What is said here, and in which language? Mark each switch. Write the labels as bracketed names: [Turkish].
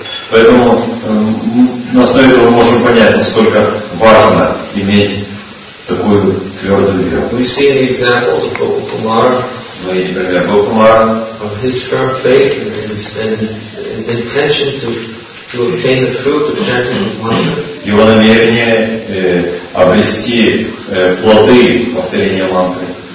[Russian] Поэтому на основе этого мы можем понять, насколько важно иметь такую твердую веру. [English] We see the examples of Gopal Kumar. [Russian] Мы видим пример Гопал Кумара. [English] Of his firm faith and his intention to obtain the fruit of chanting his mantra. [Russian] Его намерение обрести плоды повторения мантры.